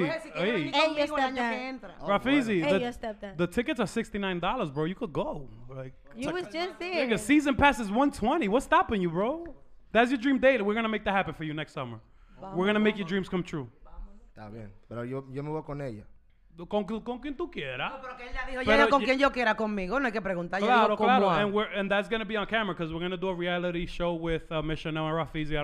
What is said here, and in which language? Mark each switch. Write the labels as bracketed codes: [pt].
[es] Pues hey. [en] Rafizi, the tickets are $69, bro. You could go. Like, you was just there. Nigga, season pass is $120. What's stopping you, bro? That's your dream date. We're going to make that happen for you next summer. Vamos, we're going to make your dreams come true. [es] Está bien. Pero yo me voy con ella. Con quien tú quieras. No, pero que ella dijo, pero, con quien yo quiera conmigo, no hay que preguntar. Claro, claro. ¿Cómo? [en] And that's going to be on camera because we're going to do a reality show with Michelle and Rafizi.